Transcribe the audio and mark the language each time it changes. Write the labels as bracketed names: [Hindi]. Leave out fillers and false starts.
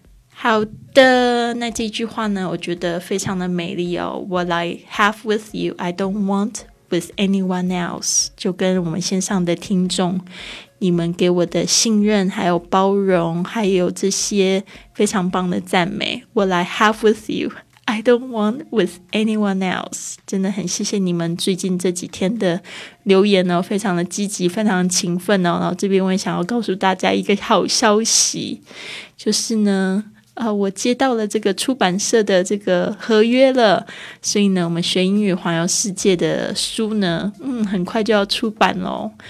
[Chinese] 好的，那这句话呢我觉得非常的美丽哦。 [English] What I have with you, I don't wantwith anyone else， [Chinese] 就跟我们线上的听众，你们给我的信任还有包容还有这些非常棒的赞美。 [English] What I have with you， I don't want with anyone else. [Chinese] 真的很谢谢你们最近这几天的留言哦，非常的积极，非常的勤奋哦。然后这边我也想要告诉大家一个好消息，就是呢我接到了这个出版社的这个合约了，所以呢我们学英语环游世界的书呢很快就要出版咯。